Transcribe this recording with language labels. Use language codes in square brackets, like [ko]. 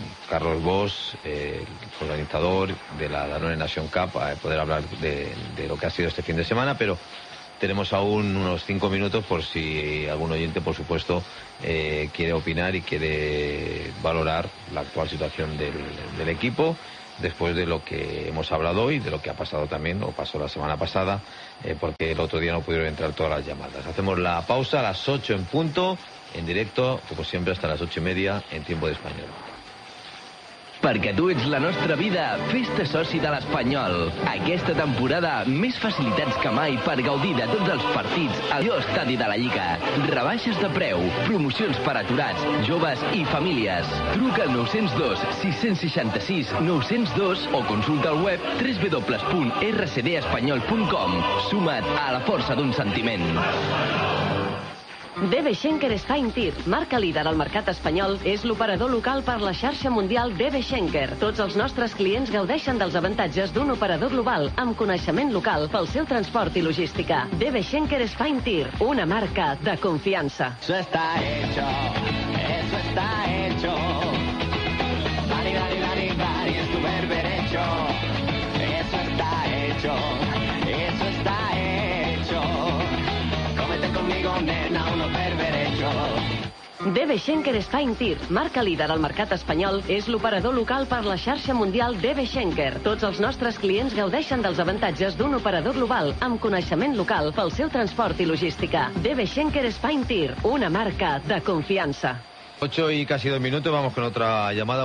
[es] Carlos Bosch, el organizador de la Danone Nation Cup, a poder hablar de lo que ha sido este fin de semana, pero tenemos aún unos 5 minutos por si algún oyente, por supuesto, quiere opinar y quiere valorar la actual situación del equipo después de lo que hemos hablado hoy, de lo que ha pasado también, o pasó la semana pasada, porque el otro día no pudieron entrar todas las llamadas. Hacemos la pausa a las 8 en punto, en directo, como siempre, hasta las 8:30 en Tiempo de Español. [ca] Perquè tu ets la nostra vida, fes-te soci de l'Espanyol. Aquesta temporada, més facilitats que mai per gaudir de tots els partits al teu estadi de la Lliga. Rebaixes de preu, promocions per aturats, joves i famílies. Truca al 902 666 902 o consulta el web www.rcdespanyol.com. Suma't a la força d'un sentiment. DB Schenker Spine Tir, marca líder al mercat espanyol, és l'operador local per la xarxa mundial DB Schenker. Tots els nostres clients gaudeixen dels avantatges d'un operador global amb coneixement local pel seu transport i logística. DB Schenker Spine Tir, una marca de confiança. [es] Eso está hecho, eso está hecho. Vale, vale, vale, vale, es tu berber hecho. Eso está hecho, eso está hecho. Cómete conmigo, nena, uno pe. [ca] DB Schenker Spine Tir, marca líder al mercat espanyol, és l'operador local per la xarxa mundial DB Schenker. Tots els nostres clients gaudeixen dels avantatges d'un operador global amb coneixement local pel seu transport i logística. DB Schenker Spine Tir, una marca de confiança. [es] 8 y casi 2 minutos, vamos con otra llamada.